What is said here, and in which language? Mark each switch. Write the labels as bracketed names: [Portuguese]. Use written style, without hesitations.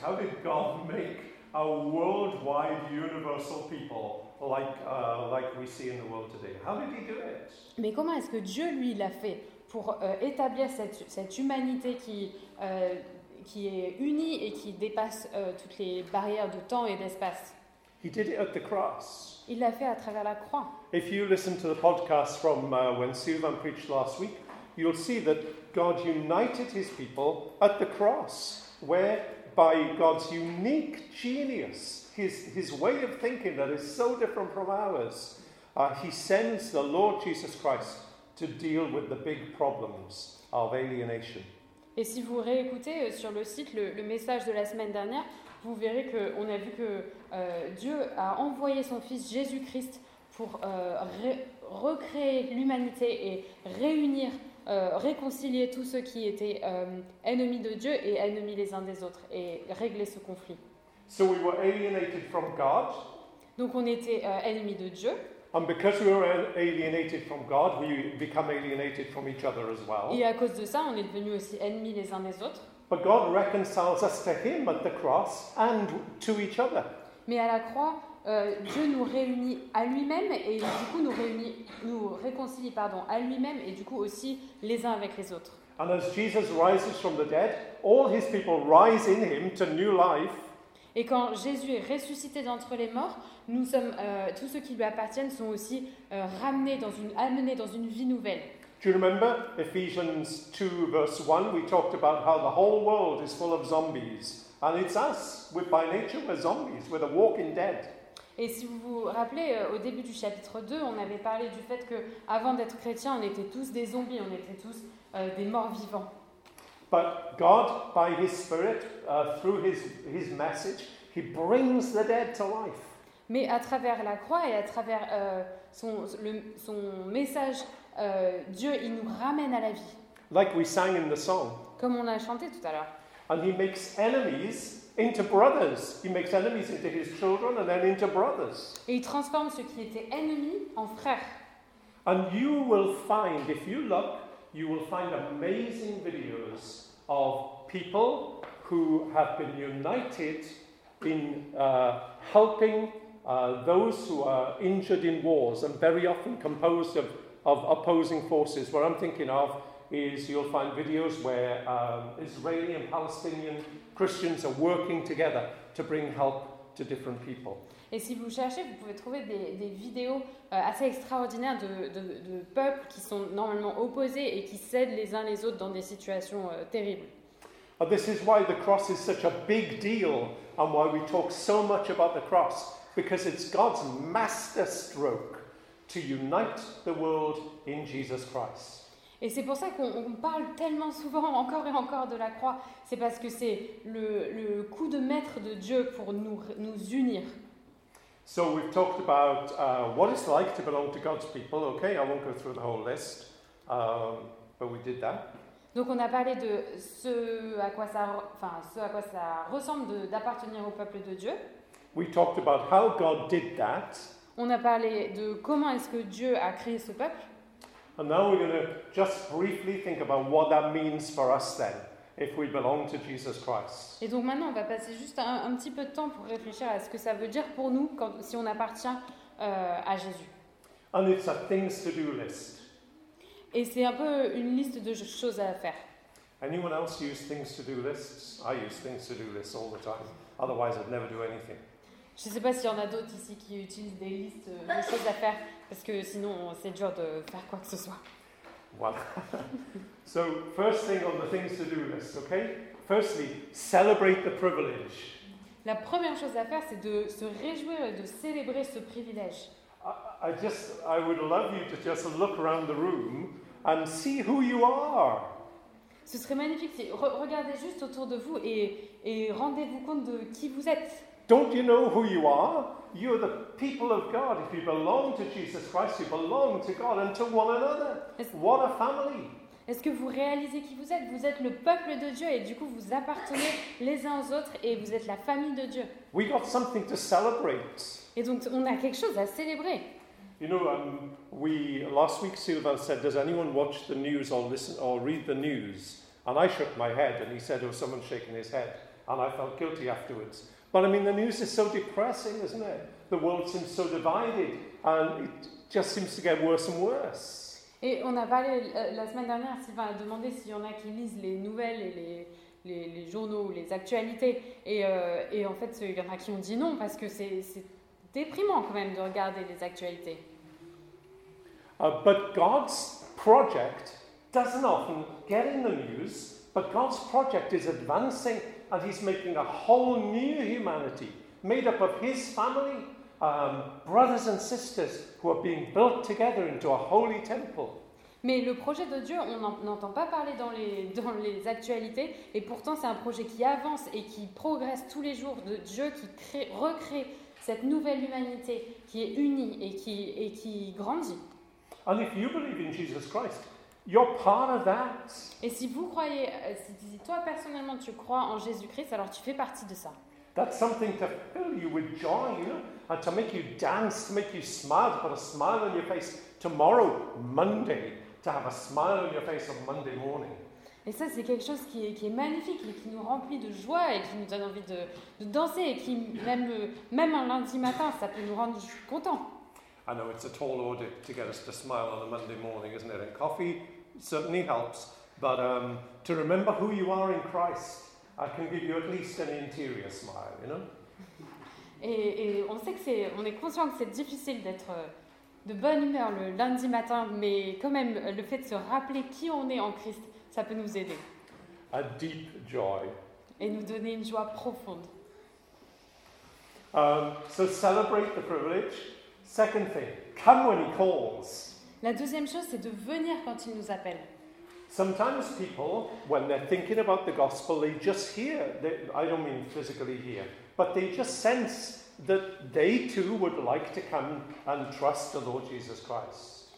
[English] How did God make a worldwide universal people like we see in the world today? How did he do it? [French] Mais comment est-ce que Dieu lui l'a fait pour établir cette humanité qui est unie et qui dépasse toutes les barrières de temps et d'espace? [English] He did it at the cross. [French] Il l'a fait à travers la croix. [English] If you listen to the podcast from when Sylvain preached last week, you'll see that God united his people at the cross, where by God's unique genius, his way of thinking that is so different from ours, he sends the Lord Jesus Christ to deal with the big problems of alienation. [French] Et si vous réécoutez sur le site le message de la semaine dernière, vous verrez qu'on a vu que Dieu a envoyé son fils Jésus-Christ pour recréer l'humanité et réconcilier tous ceux qui étaient ennemis de Dieu et ennemis les uns des autres et régler ce conflit. [English] So we were alienated from God. [French] Donc on était ennemis de Dieu. [English] And because we were alienated from God, we become alienated from each other as well. [French] Et à cause de ça, on est devenus aussi ennemis les uns des autres. [English] But God reconciles us to him at the cross and to each other. [French] Mais à la croix, Dieu nous réunit à lui-même et du coup nous réconcilie à lui-même et du coup aussi les uns avec les autres. [English] And as Jesus rises from the dead, all his people rise in him to new life. [French] Et quand Jésus est ressuscité d'entre les morts, nous sommes tous ceux qui lui appartiennent sont aussi amenés dans une vie nouvelle. [English] Do you remember Ephesians 2 verse 1? We talked about how the whole world is full of zombies, and it's us. By nature, we're zombies. We're the walking dead. [French] Et si vous vous rappelez, au début du chapitre 2, on avait parlé du fait que, avant d'être chrétien, on était tous des zombies, on était tous des morts vivants. [English] But God, by His Spirit, through His message, He brings the dead to life. [French] Mais à travers la croix et à travers son message, Dieu, il nous ramène à la vie. [English] Like we sang in the song. [French] Comme on a chanté tout à l'heure. [English] And He makes enemies into brothers. He makes enemies into His children and then into brothers. [French] Et il transforme ceux qui étaient ennemis en frères. [English] And you will find, if you look, you will find amazing videos of people who have been united in helping those who are injured in wars and very often composed of opposing forces. What I'm thinking of is you'll find videos where Israeli and Palestinian Christians are working together to bring help to different people. [French] Et si vous cherchez, vous pouvez trouver des vidéos assez extraordinaires de peuples qui sont normalement opposés et qui s'aident les uns les autres dans des situations terribles. [English] This is why the cross is such a big deal and why we talk so much about the cross, because it's God's masterstroke to unite the world in Jesus Christ. [French] Et c'est pour ça qu'on parle tellement souvent, encore et encore, de la croix. C'est parce que c'est le coup de maître de Dieu pour nous unir. [English] So we've talked about what it's like to belong to God's people. Okay, I won't go through the whole list, but we did that. [French] Donc on a parlé de ce à quoi ça ressemble d'appartenir au peuple de Dieu. [English] We talked about how God did that. [French] On a parlé de comment est-ce que Dieu a créé ce peuple. [English] And now we're going to just briefly think about what that means for us then, if we belong to Jesus Christ. [French] Et donc maintenant, on va passer juste un petit peu de temps pour réfléchir à ce que ça veut dire pour nous quand, si on appartient à Jésus. [English] And it's a things to do list. [French] Et c'est un peu une liste de choses à faire. [English] Anyone else use things to do lists? I use things to do lists all the time. Otherwise, I'd never do anything. [French] Je ne sais pas s'il y en a d'autres ici qui utilisent des listes de choses à faire, parce que sinon, c'est dur de faire quoi que ce soit. Voilà. [English] So, first thing on the things to do list, okay? Firstly, celebrate the privilege. [French] La première chose à faire, c'est de se réjouir et de célébrer ce privilège. [English] I would love you to just look around the room and see who you are. [French] Ce serait magnifique si regardez juste autour de vous et rendez-vous compte de qui vous êtes. [English] Don't you know who you are? You are the people of God. If you belong to Jesus Christ, you belong to God and to one another. What a family! [French] Est-ce que vous réalisez qui vous êtes? Vous êtes le peuple de Dieu et du coup vous appartenez les uns aux autres et vous êtes la famille de Dieu. [English] We got something to celebrate. [French] Et donc on a quelque chose à célébrer. [English] You know, last week Sylvain said, "Does anyone watch the news or listen or read the news?" And I shook my head, and he said, "Oh, someone shaking his head," and I felt guilty afterwards. But I mean, the news is so depressing, isn't it? The world seems so divided, and it just seems to get worse and worse. [French] Et on a parlé la semaine dernière. Sylvain a demandé s'il y en a qui lisent les nouvelles et les journaux, les actualités. Et en fait, il y en a qui ont dit non parce que c'est déprimant quand même de regarder les actualités. [English] But God's project doesn't often get in the news, but God's project is advancing and he's making a whole new humanity made up of his family, brothers and sisters who are being built together into a holy temple. [French] Mais le projet de Dieu, on n'entend pas parler dans les actualités, et pourtant c'est un projet qui avance et qui progresse tous les jours, de Dieu qui recrée cette nouvelle humanité qui est unie et qui grandit. [English] And if you believe in Jesus Christ, you're part of that. [French] Et si vous croyez, si toi personnellement tu crois en Jésus-Christ, alors tu fais partie de ça. [English] That's something to fill you with joy, you know, and to make you dance, to make you smile, to put a smile on your face tomorrow, Monday, to have a smile on your face on Monday morning. [French] Et ça, c'est quelque chose qui est magnifique et qui nous remplit de joie et qui nous donne envie de danser et qui, même un lundi matin, ça peut nous rendre contents. [English] I know it's a tall order to get us to smile on a Monday morning, isn't it? And coffee certainly helps, but to remember who you are in Christ, I can give you at least an interior smile, you know? [French] Et on sait que on est conscient que c'est difficile d'être de bonne humeur le lundi matin, mais quand même, le fait de se rappeler qui on est en Christ, ça peut nous aider. [English] A deep joy. [French] Et nous donner une joie profonde. [English] So celebrate the privilege. Second thing, come when he calls. [French] La deuxième chose, c'est de venir quand il nous appelle. [English] Sometimes people, when they're thinking about the gospel, they just hear, I don't mean physically hear, but they just sense that they too would like to come and trust the Lord Jesus Christ.